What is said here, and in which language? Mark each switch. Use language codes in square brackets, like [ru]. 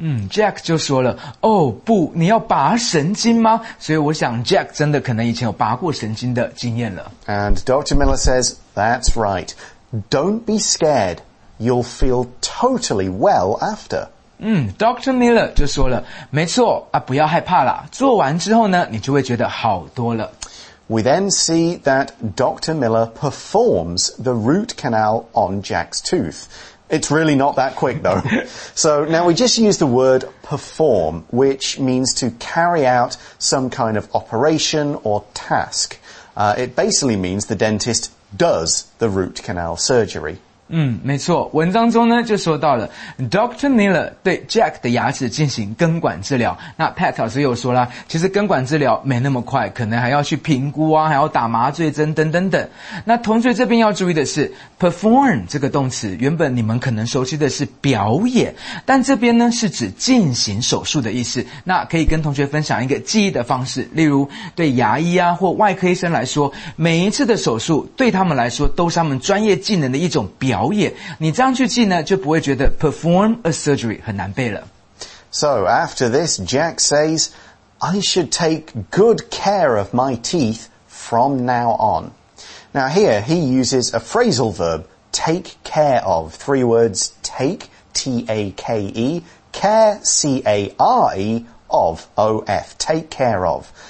[zh] Jack 就说了，哦不，你要拔神经吗？所以我想 Jack 真的可能以前有拔过神经的经验了。 [en] And Dr. Miller says, that's right. Don't be scared. You'll feel totally well after. Dr. [zh] Miller 就说了，没错啊，不要害怕啦，做完之后呢，你就会觉得好多了。 [en] We then see that Dr. Miller performs the root canal on Jack's tooth. It's really not that quick though. So now we just use the word perform, which means to carry out some kind of operation or task. It basically means the dentist does the root canal surgery. [zh] 没错，文章中呢就说到了 Dr. Miller 对 Jack 的牙齿进行根管治疗。那 Pat 老师又说啦，其实根管治疗没那么快，可能还要去评估啊，还要打麻醉针等等等。那同学这边要注意的是 perform 这个动词，原本你们可能熟悉的是表演，但这边呢是指进行手术的意思。那可以跟同学分享一个记忆的方式，例如对牙医啊或外科医生来说，每一次的手术对他们来说都是他们专业技能的一种表演，你这样去记呢，就不会觉得 [en] perform a surgery [zh] 很难背了。 [en] So after this, Jack says, I should take good care of my teeth from now on. Now here, he uses a phrasal verb, take care of. Three words, take, T-A-K-E, care, C-A-R-E, of, O-F, take care of.